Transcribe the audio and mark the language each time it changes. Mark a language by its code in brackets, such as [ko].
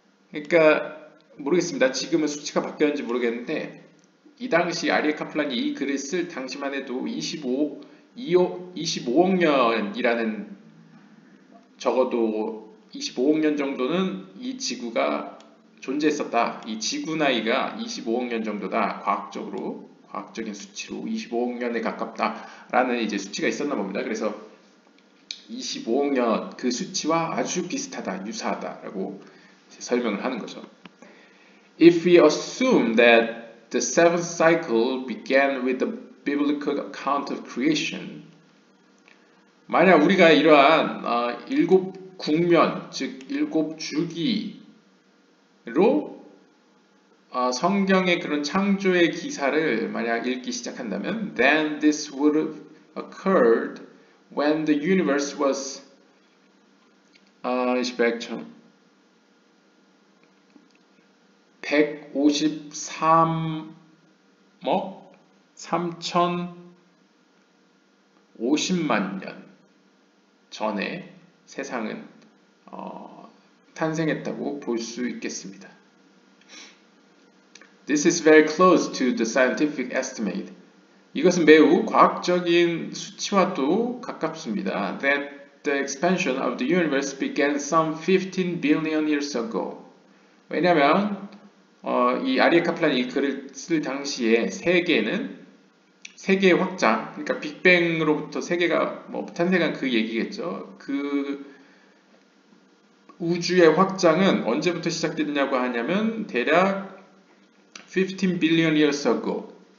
[ko] 그러니까 모르겠습니다. 지금은 수치가 바뀌었는지 모르겠는데 이 당시 아리에 카플란이 이 글을 쓸 당시만 해도 25억 년이라는 적어도 25억 년 정도는 이 지구가 존재했었다. 이 지구 나이가 25억 년 정도다. 과학적인 수치로 25억 년에 가깝다라는 이제 수치가 있었나 봅니다. 그래서 25억 년, 그 수치와 아주 비슷하다, 유사하다라고 설명을 하는 거죠. [en] If we assume that the seventh cycle began with the biblical account of creation, [ko] 만약 우리가 이러한 일곱 국면, 즉 일곱 주기로 성경의 그런 창조의 기사를 만약 읽기 시작한다면, [en] then this would have occurred when the universe was on a spectrum. [ko] 153억 3,050만 년 전에 세상은 탄생했다고 볼수 있겠습니다. [en] This is very close to the scientific estimate. [ko] 이것은 매우 과학적인 수치와도 가깝습니다. [en] That the expansion of the universe began some 15 billion years ago. [ko] 왜냐하면 이 아리에 카플란이 이 글을 쓸 당시에 세계의 확장, 그러니까 빅뱅으로부터 세계가 뭐 탄생한 그 얘기겠죠. 그 우주의 확장은 언제부터 시작됐냐고 하냐면 대략 [en] 15 billion years ago.